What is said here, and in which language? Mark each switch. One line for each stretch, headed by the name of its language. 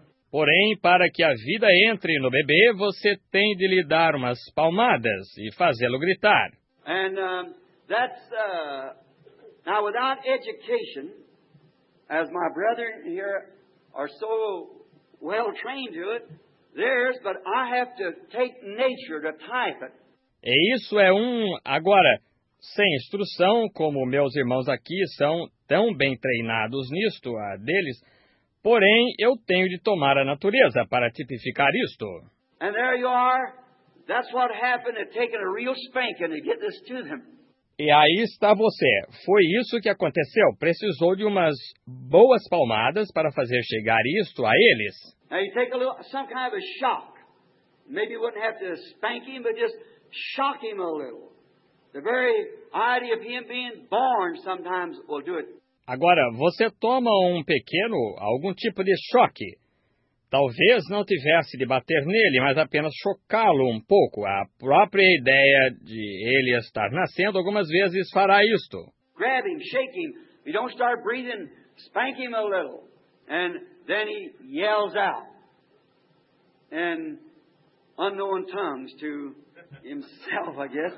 Portuguese: Porém, para que a vida entre no bebê, você tem de lhe dar umas palmadas e fazê-lo gritar.
English: And that's now without education, as my brethren here are so well trained to it. There's, but I have to take nature to type it.
Portuguese: E isso é agora, sem instrução, como meus irmãos aqui são tão bem treinados nisto, a deles, porém, eu tenho de tomar a natureza para tipificar isto.
English: And there you are. That's what happened to taking a real spanking to get this to them.
Portuguese: E aí está você. Foi isso que aconteceu. Precisou de umas boas palmadas para fazer chegar isto a eles.
English: Now you take a little, some kind of a shock. Maybe you wouldn't have to spank him, but just shock him a little. The very idea of him being born sometimes will do it.
Portuguese: Agora, você toma algum tipo de choque. Talvez não tivesse de bater nele, mas apenas chocá-lo pouco. A própria ideia de ele estar nascendo algumas vezes fará isto.
English: Grab him, shake him. If you don't start breathing, spank him a little. And then he yells out in unknown tongues to himself, I guess.